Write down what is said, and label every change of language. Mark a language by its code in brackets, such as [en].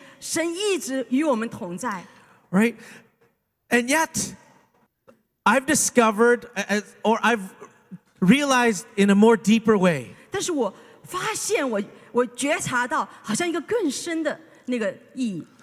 [zh] 我们好像来到一个年，是神一直与我们同在。 [en] Right? And yet, I've discovered, or I've realized in a more deeper way. [zh] 但是我发现我觉察到好像一个更深的那个意义。